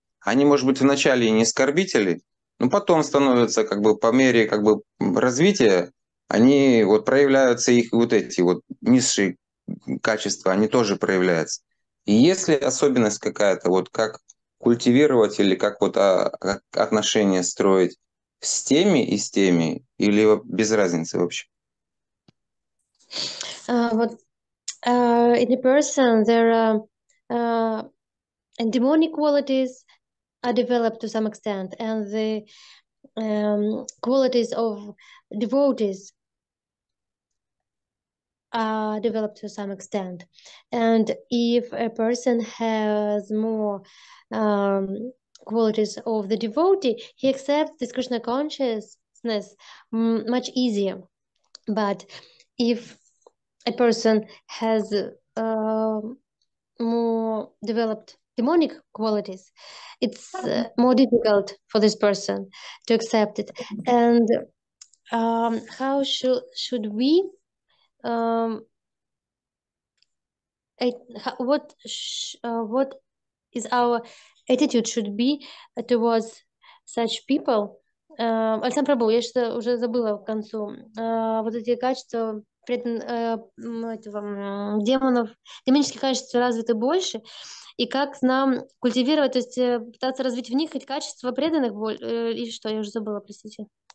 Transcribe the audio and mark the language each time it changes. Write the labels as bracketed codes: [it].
[ru] Они, может быть, вначале и не оскорбители, но потом становятся как бы по мере как бы развития, они вот проявляются, их вот эти вот низшие качества, они тоже проявляются. И есть ли особенность какая-то, вот как культивировать или как вот отношения строить с теми и с теми, или без разницы вообще? [en] Вот in the person, there are demonic qualities are developed to some extent, and the qualities of devotees are developed to some extent. And if a person has more qualities of the devotee, he accepts this Krishna consciousness much easier. But if a person has more developed demonic qualities, it's more difficult for this person to accept it. And how should we what is our attitude should be towards such people? [ru] Александр Прабу, я что уже забыла к концу. Вот эти качества этого, демонов, демонические качества развиты больше, и как нам культивировать, то есть пытаться развить в них хоть качество преданных, и что, я уже забыла, простите.